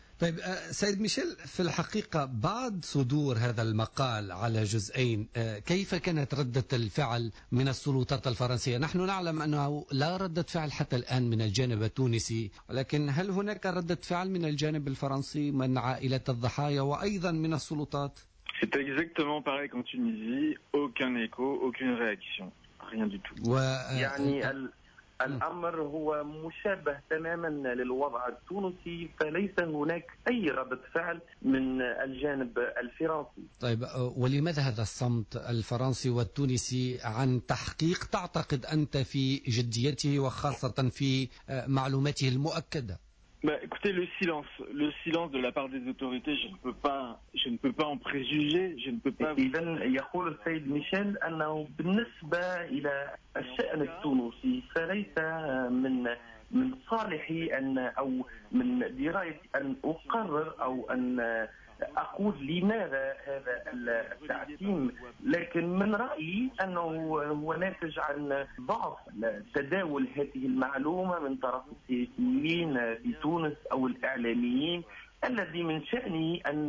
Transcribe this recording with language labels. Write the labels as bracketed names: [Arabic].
[Arabic] طيب سيد ميشيل، في الحقيقة بعد صدور هذا المقال على جزئين، كيف كانت ردة الفعل من السلطات الفرنسية؟ نحن نعلم أنه لا ردة فعل حتى الآن من الجانب التونسي، لكن هل هناك ردة فعل من الجانب الفرنسي، من عائلة الضحايا وأيضا من السلطات؟ [French] C'est exactement pareil qu'en Tunisie, aucun écho, aucune réaction, rien du tout. [Arabic] يعني الأمر هو مشابه تماما للوضع التونسي، فليس هناك أي رد فعل من الجانب الفرنسي. طيب ولماذا هذا الصمت الفرنسي والتونسي عن تحقيق تعتقد أنت في جديته وخاصة في معلوماته المؤكدة؟ [French] Bah écoutez, le silence de la part des autorités, je ne peux pas en préjuger, je ne peux pas. [Arabic] إذن يقول السيد ميشيل أنه بالنسبة إلى الشأن التونسي فليس من صالحي أن أو من درايتي أن أقرر أو أن أقول لماذا هذا التعتيم، لكن من رأيي أنه هو ناتج عن ضعف تداول هذه المعلومة من طرف السياسيين في تونس أو الإعلاميين، الذي من شأنه